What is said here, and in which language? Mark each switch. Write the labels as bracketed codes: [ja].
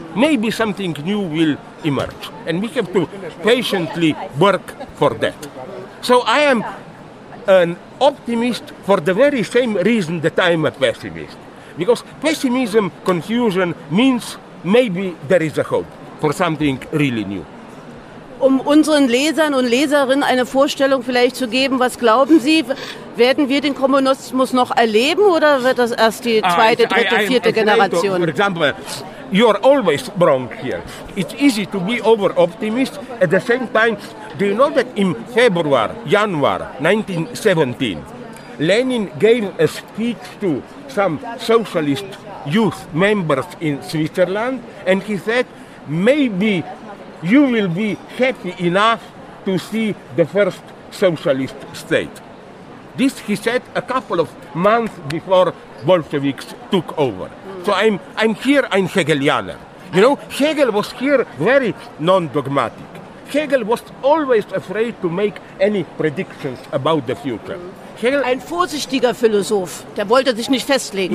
[en] Maybe something new will emerge, and we have to patiently work for that. So I am an optimist for the very same reason that I am a pessimist. Because pessimism, confusion, means maybe there is a hope for something really new. [de] um unseren Lesern und Leserinnen eine Vorstellung vielleicht zu geben, was glauben Sie, werden wir den Kommunismus noch erleben oder wird das erst die zweite, dritte, vierte Generation? [en] For example, you are always wrong here. It's easy to be over-optimist. At the same time, do you know that in January 1917, Lenin gave a speech to some socialist youth members in Switzerland and he said, maybe you will be happy enough to see the first socialist state. This he said a couple of months before Bolsheviks took over. So I'm here, I'm Hegelianer. You know, Hegel was here very non-dogmatic. Hegel was always afraid to make any predictions about the future. [de] Hegel, ein vorsichtiger Philosoph, der wollte sich nicht festlegen.